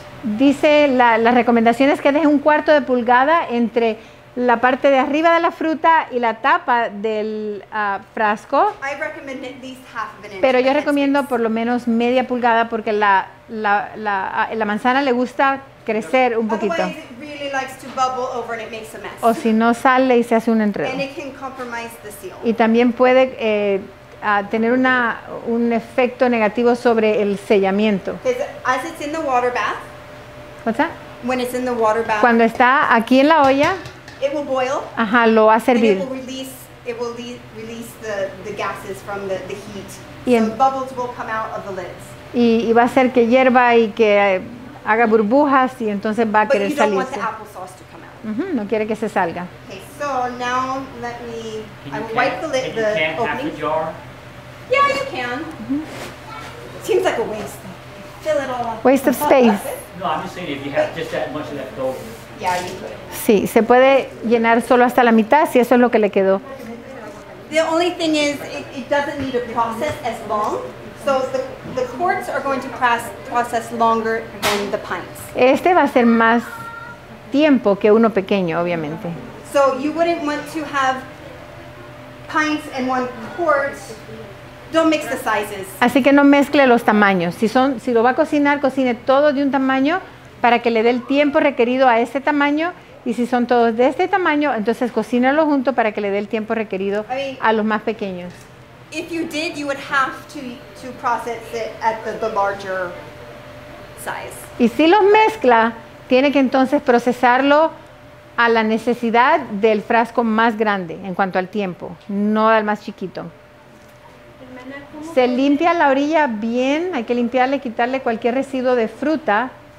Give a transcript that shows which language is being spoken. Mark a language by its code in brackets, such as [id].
[es] Dice la recomendación es que deje un cuarto de pulgada entre la parte de arriba de la fruta y la tapa del frasco. [en] I recommend at least half of an inch. [es] Pero yo recomiendo por lo menos media pulgada porque la manzana le gusta crecer un poquito. [en] Otherwise, it really likes to bubble over and it makes a mess. [es] O si no sale y se hace un enredo. [en] And it can compromise the seal. [es] Y también puede tener un efecto negativo sobre el sellamiento. [en] As it's in the water bath, what's that? When it's in the water bath, [es] cuando está aquí en la olla, [en] it will boil. [es] Ajá, lo va a servir. [en] And it will release the gases from the heat. So bubbles will come out of the lids. [es] Y va a hacer que hierva y que haga burbujas y entonces va a querer salirse. [en] But you don't want the applesauce to come out. [es] No quiere que se salga. [en] Okay, so now wipe the opening. half a jar? Yeah, you can. Seems like a waste. Fill it all up. Waste of space. No, I'm just saying if you have just that much of that dough. [es] Sí, se puede llenar solo hasta la mitad si eso es lo que le quedó. [en] The only thing is it doesn't need to process as long. So the quarts are going to process longer than the pints. [es] Este va a ser más tiempo que uno pequeño, obviamente. [en] So you wouldn't want to have pints and one quart. Don't mix the sizes. [es] Así que no mezcle los tamaños. Si lo va a cocinar, cocine todo de un tamaño para que le dé el tiempo requerido a este tamaño, y si son todos de este tamaño, entonces cocínalo junto para que le dé el tiempo requerido a los más pequeños. [en] If you did, you would have to process it at the larger size. [es] Y si los mezcla, tiene que entonces procesarlo a la necesidad del frasco más grande en cuanto al tiempo, no al más chiquito. Se limpia la orilla bien, hay que limpiarle, quitarle cualquier residuo de fruta.